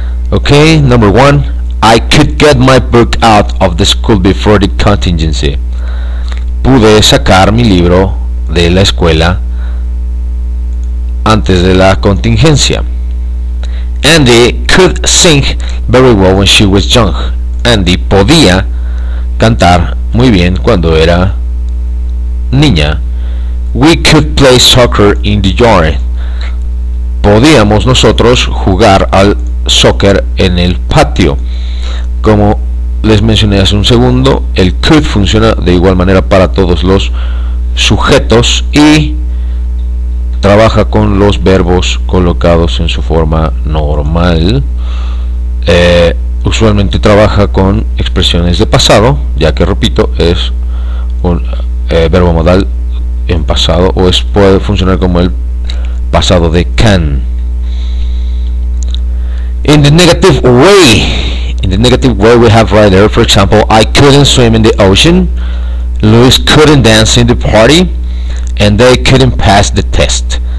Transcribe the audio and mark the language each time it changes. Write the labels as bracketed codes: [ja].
[en] Okay, number one, I could get my book out of the school before the contingency. [es] Pude sacar mi libro de la escuela antes de la contingencia. [en] Andy could sing very well when she was young. [es] Andy podía cantar muy bien cuando era niña. [en] We could play soccer in the yard. [es] Podíamos nosotros jugar al soccer en el patio. Como les mencioné hace un segundo, el could funciona de igual manera para todos los sujetos y trabaja con los verbos colocados en su forma normal. Usualmente trabaja con expresiones de pasado, ya que, repito, es un verbo modal en pasado, o es, puede funcionar como el pasado de can. [en] In the negative way, in the negative way we have right there, for example, I couldn't swim in the ocean, Luis couldn't dance in the party, and they couldn't pass the test.